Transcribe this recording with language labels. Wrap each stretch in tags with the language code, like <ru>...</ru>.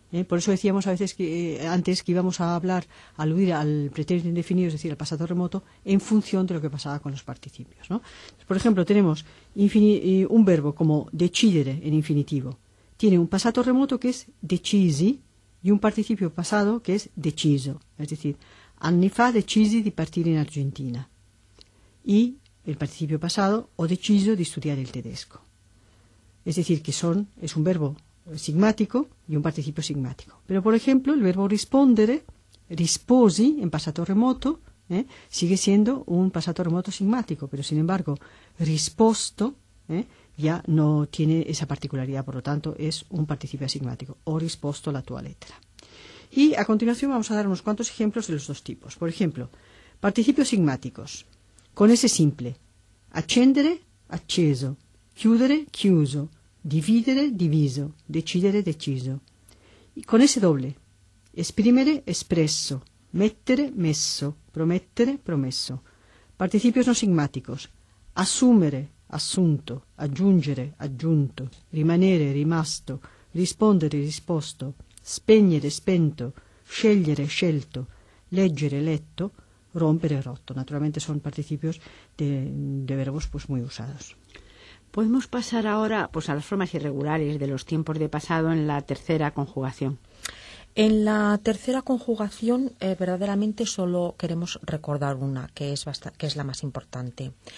<es>Por eso decíamos a veces que antes que íbamos a hablar, a aludir al pretérito indefinido, es decir, al pasado remoto, en función de lo que pasaba con los participios, ¿no? Por ejemplo, tenemos un verbo como decidere en infinitivo. Tiene un pasado remoto que es decisi y un participio pasado que es deciso. Es decir,</es> <it>anni fa decisi di partire in Argentina.</it> <es>Y el participio pasado,</es> <it>ho deciso di studiare il tedesco.</it> <es>Es decir, que es un verbo sigmático y un participio sigmático. Pero, por ejemplo, el verbo rispondere, risposi, en pasado remoto, sigue siendo un pasado remoto sigmático, pero, sin embargo, risposto ya no tiene esa particularidad, por lo tanto, es un participio asigmático,</es> <it>o risposto la tua lettera.</it> <es>Y, a continuación, vamos a dar unos cuantos ejemplos de los dos tipos. Por ejemplo, participios sigmáticos, con ese simple,</es> <it>accendere, acceso, chiudere, chiuso, dividere, diviso, decidere, deciso.</it> <es>Y con ese doble,</es> <it>esprimere, espresso, mettere, messo, promettere, promesso.</it> <es>Participios no sigmáticos,</es> <it>assumere, assunto, aggiungere, aggiunto, rimanere, rimasto, rispondere, risposto, spegnere, spento, scegliere, scelto, leggere, letto, rompere, rotto.</it> <es>Naturalmente son participios de verbos pues muy usados. Podemos pasar ahora pues a las formas irregulares de los tiempos de pasado en la tercera conjugación. En la tercera conjugación, verdaderamente solo queremos recordar una, que es la más importante.</es>